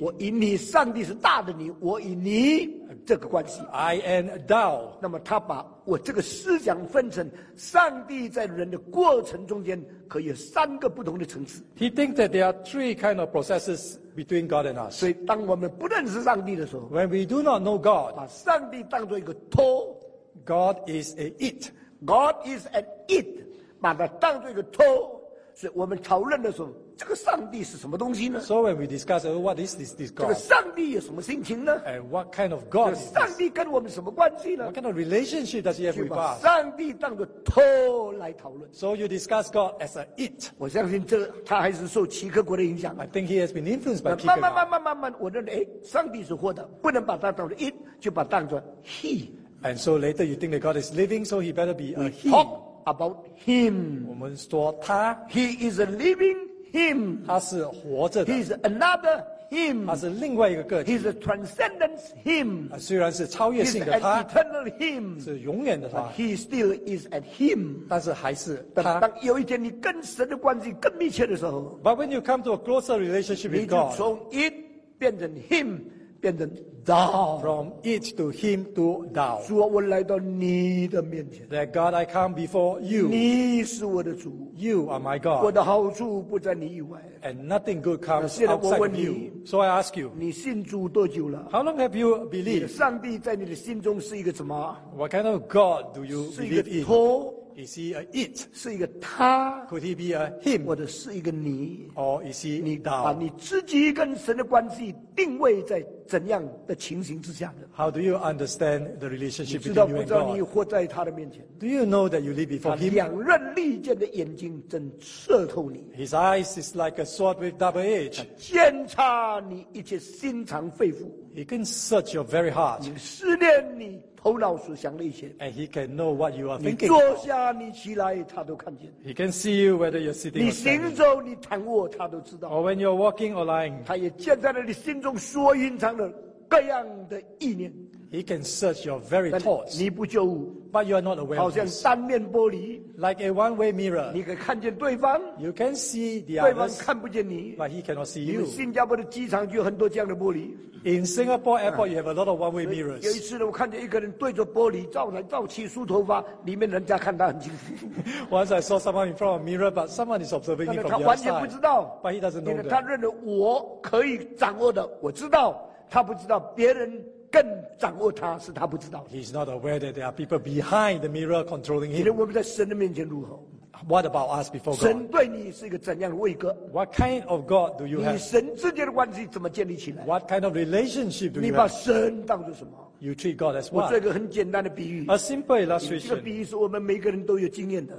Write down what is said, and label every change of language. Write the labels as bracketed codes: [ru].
[zh] 我与你，上帝是大的你，我与你这个关系。 [en] I and thou。 [zh] 那么他把我这个思想分成上帝在人的过程中间可以有三个不同的层次。 [en] He thinks that there are three kind of processes between God and us。 [zh] 所以当我们不认识上帝的时候 [en] ，When we do not know God， [zh] 把上帝当作一个托 [en] ，God is a it。 God is an it， [zh] 把它当作一个托。所以我们讨论的时候，这个上帝是什么东西呢 [en] ？So when we discuss what is this God， [zh] 这个上帝有什么心情呢 [en] ？And what kind of God？ [zh] 上帝跟我们什么关系呢 [en] ？What kind of relationship does he have with us？ [zh] 把上帝当作头来讨论。 [en] So you discuss God as a it。 [zh] 我相信这他还是受齐克国的影响。 [en] I think he has been influenced by 齐克国。 [zh] 慢慢，我认为，上帝是活的，不能把他当作 it， 就把他当作 he。 [en] And so later you think that God is living, so he better be a he。 Talk about him。 [zh] 我们说他。 [en] He is a living。 Him, [zh] 他是活着的。 [en] He's another him. [zh] 他是另外一个个体。 [en] He's a transcendent him. [zh] 虽然是超越性的他。 [en] He's an eternal him. [zh] 是永远的他。 [en] But he still is at him. [zh] 但是还是他。当有一天你跟神的关系更密切的时候。 [en] But when you come to a closer relationship with God. [zh] 你就从 it 变成 him， 变成 thou。 [en] From it to him to thou. [zh] 主啊，我来到你的面前。 [en] That God, I come before you. [zh] 你是我的主。 [en] You are my God. [zh] 我的好处不在你以外。 [en] And nothing good comes outside of you. So I ask you. [zh] 你信主多久了？ [en] How long have you believed? [zh] 上帝在你的心中是一个什么？ [en] What kind of God do you believe in? [zh] 是一个托。 [en] Is he a it? [zh] 是一个他。 [en] Could he be a him? [zh] 或者是一个你。 [en] Or is he thou? [zh] 你把你自己跟神的关系定位在怎样的情形之下的？ [en] How do you understand the relationship between you and God? [zh] 你知道不知道你活在他的面前？ [en] Do you know that you live before him? [zh] 两刃利剑的眼睛正射透你。 [en] His eyes is like a sword with double edge. [zh] 检查你一切心肠肺腑。 [en] He can search your very heart. [zh] 你思念你头脑所想的一切。 [en] And he can know what you are thinking. [zh] 你坐下你起来他都看见。 [en] He can see you whether you're sitting or standing. [zh] 你行走你躺卧他都知道。 [en] Or when you're walking or lying. [zh] 他也检查了你心中所隐藏的各样的意念。 [en] He can search your very thoughts. [zh] 你不觉悟。 [en] But you are not aware of [zh] this. 好像单面玻璃。 [en] Like a one-way mirror. [zh] 你可以看见对方。 [en] You can see the others. [zh] 对方看不见你。 [en] But he cannot see you. [zh] 新加坡的机场就有很多这样的玻璃。 [en] In Singapore Airport, you have a lot of one-way mirrors. [zh] 有一次呢，我看见一个人对着玻璃照来照去梳头发，里面人家看他很清楚。 [en] Once I saw someone in front of a mirror, but someone is observing him from the [zh] outside. 他完全不知道。 [en] But he doesn't know. [zh] 因为他认为我可以掌握的，我知道。他不知道别人更掌握他是他不知道。 [en] He's not aware that there are people behind the mirror controlling him. [zh] 你认为我们在神的面前如何？ [en] What about us before God? [zh] 神对你是一个怎样的位格？ [en] What kind of God do you have? [zh] 你神之间的关系怎么建立起来？ [en] What kind of relationship do you have? [zh] 你把神当作什么？ [en] You treat God as what? [zh] 我做一个很简单的比喻。 [en] A simple illustration. [zh] 这个比喻是我们每个人都有经验的。